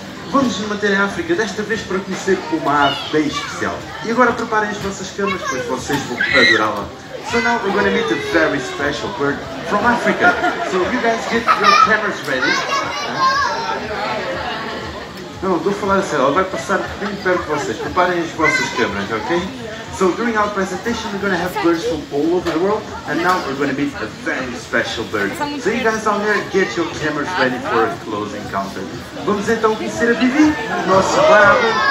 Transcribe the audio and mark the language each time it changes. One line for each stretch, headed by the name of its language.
Portuguese: Vamos nos manter em África, desta vez para conhecer uma ave bem especial. E agora preparem as vossas camas, pois vocês vão adorá-la.
English: So now we're going to meet a very special bird from Africa. So you guys get your cameras ready.
Portuguese: Não, estou a falar a sério, ela vai passar bem perto de vocês. Preparem as vossas câmeras, ok?
English: So during our presentation we're going to have birds from all over the world. And now we're going to meet a very special bird. So you guys down there, get your cameras ready for a close encounter.
Portuguese: Vamos então conhecer a Vivi, o nosso barato.